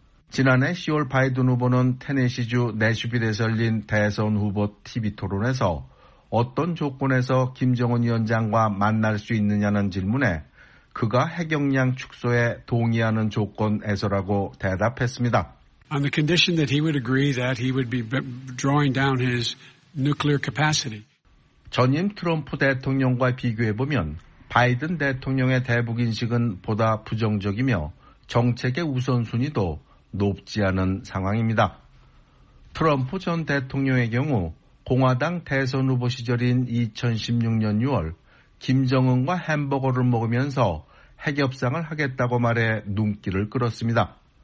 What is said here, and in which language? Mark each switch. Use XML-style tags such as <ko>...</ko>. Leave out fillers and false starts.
<ko>지난해 10월 바이든 후보는 테네시주 내슈빌에서 열린 대선 후보 TV 토론에서 어떤 조건에서 김정은 위원장과 만날 수 있느냐는 질문에 그가 핵용량 축소에 동의하는 조건에서라고 대답했습니다.</ko> <en>On the condition that he would agree that he would be drawing down his nuclear capacity.</en> <ko>전임 트럼프 대통령과 비교해보면 바이든 대통령의 대북 인식은 보다 부정적이며 정책의 우선순위도 높지 않은 상황입니다. 트럼프 전 대통령의 경우 공화당 대선 후보 시절인 2016년 6월 김정은과 햄버거를 먹으면서 핵협상을 하겠다고 말해 눈길을 끌었습니다.</ko>